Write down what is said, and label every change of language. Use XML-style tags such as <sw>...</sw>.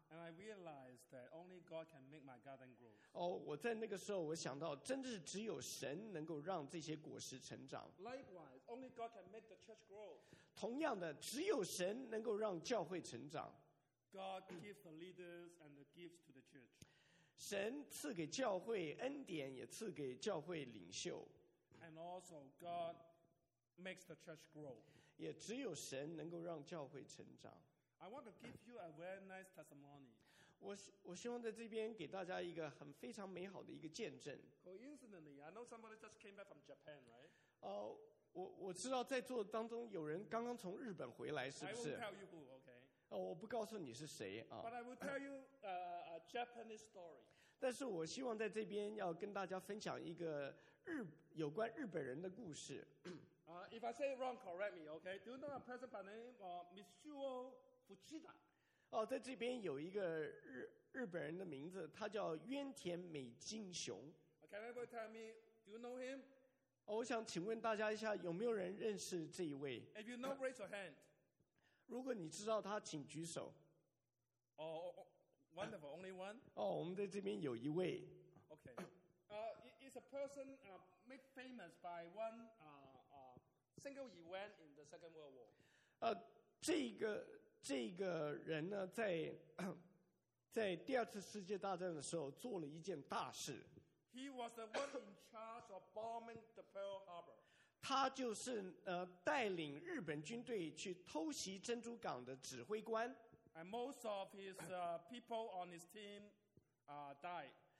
<en>And I realized that only God can make my garden grow.</en> <zh>我在那个时候我想到，真的是只有神能够让这些果实成长。</zh> <en>Likewise, only God can make the church grow.</en> <zh>同样的，只有神能够让教会成长。</zh> <en>God gives the leaders and the gifts to the church.</en> <zh>神赐给教会恩典，也赐给教会领袖。</zh> <en>And also God makes the church grow.</en> <zh>也只有神能够让教会成长。</zh> <en>I want to give you a very nice testimony.</en> <zh>我希望在这边给大家一个很非常美好的一个见证。</zh> <en>Coincidentally, I know somebody just came back from Japan, right?</en> <zh>我知道在座当中有人刚刚从日本回来，是不是？</zh> <en>I won't tell you who, okay?</en> <zh>我不告诉你是谁啊。</zh> <en>But I will tell you a Japanese story.</en> <zh>但是我希望在这边要跟大家分享一个有关日本人的故事。</zh> <en>If I say it wrong, correct me, okay? Do you know a person by the name of Mitsuo?</en> <zh>在这边有一个日本人的名字，他叫渊田美津雄。</zh> <en>Can anybody tell me, do you know him?</en> <zh>我想请问大家一下，有没有人认识这一位？</zh> <en>If you know, raise your hand.</en> <zh>如果你知道他，请举手。</zh> <en>Wonderful, only one?</en> <zh>我们在这边有一位。</zh> <en>Okay. It's a person made famous by one single event in the Second World War.</en> <zh>这个人呢，在第二次世界大战的时候做了一件大事。</zh> <en>He was the one in charge of bombing the Pearl Harbor.</en> <zh>他就是带领日本军队去偷袭珍珠港的指挥官。</zh> <en>And most of his people on his team died.</en>